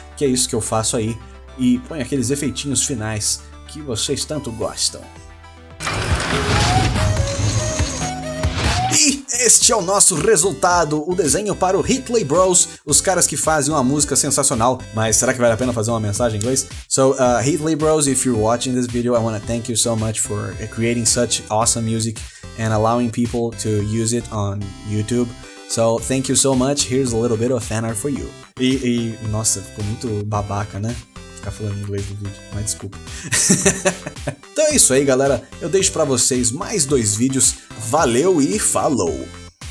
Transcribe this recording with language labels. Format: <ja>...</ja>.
<pt>Que é isso que eu faço aí. E põe aqueles efeitinhos finais que vocês tanto gostam. Este é o nosso resultado, o desenho para o Hitley Bros, os caras que fazem uma música sensacional. Mas será que vale a pena fazer uma mensagem em inglês?</pt> <en>So, Hitley Bros, if you're watching this video, I want to thank you so much for creating such awesome music and allowing people to use it on YouTube. So, thank you so much, here's a little bit of fan art for you.</en> <pt>E nossa, ficou muito babaca, né? Ficar falando inglês no vídeo, mas desculpa. Então é isso aí, galera. Eu deixo pra vocês mais dois vídeos. Valeu e falou!</pt>